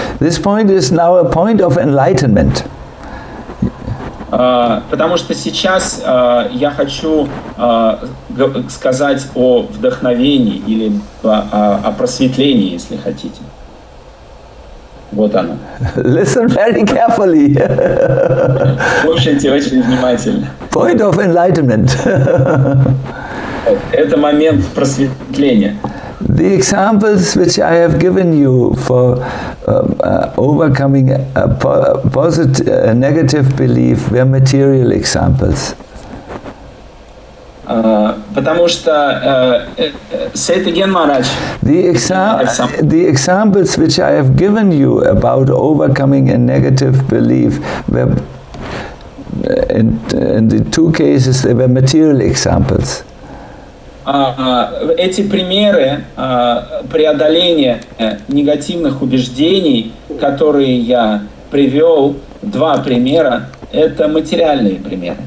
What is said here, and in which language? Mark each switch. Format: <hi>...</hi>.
<en>This point is now a point of enlightenment.</en> <ru>Потому что сейчас я хочу сказать о вдохновении или о просветлении, если хотите. Вот оно.</ru> <en>Listen very carefully.</en> <ru>Слушайте очень внимательно.</ru> <en>Point of enlightenment.</en> <ru>Это момент просветления.</ru> <en>The examples which I have given you for overcoming a negative belief were material examples.</en> <ru>Потому что Сейта Генмарадж.</ru> <en>The examples which I have given you about overcoming a negative belief were in the two cases they were material examples.</en> <ru>Эти примеры преодоления негативных убеждений, которые я привел, два примера, это материальные примеры.</ru>